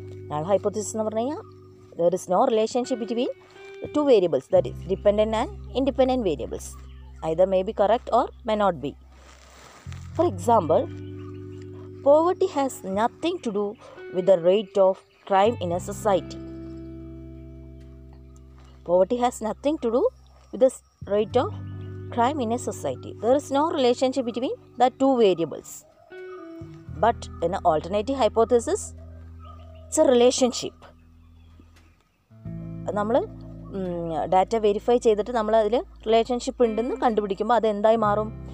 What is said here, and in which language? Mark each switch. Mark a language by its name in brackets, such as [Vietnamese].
[English] null hypothesis [Malayalam] എന്ന് പറഞ്ഞു കഴിഞ്ഞാൽ [English] There is no relationship between two variables, that is dependent and independent variables. Either may be correct or may not be. For example, poverty has nothing to do with the rate of crime in a society. Poverty has nothing to do with the rate of crime in a society. There is no relationship between the two variables. But in an alternative hypothesis, it's a relationship. [Malayalam] നമ്മൾ data verify ചെയ്തിട്ട് നമ്മൾ അതിൽ relationship ഉണ്ടെന്ന് കണ്ടുപിടിക്കുമ്പോൾ അതെന്തായി മാറും?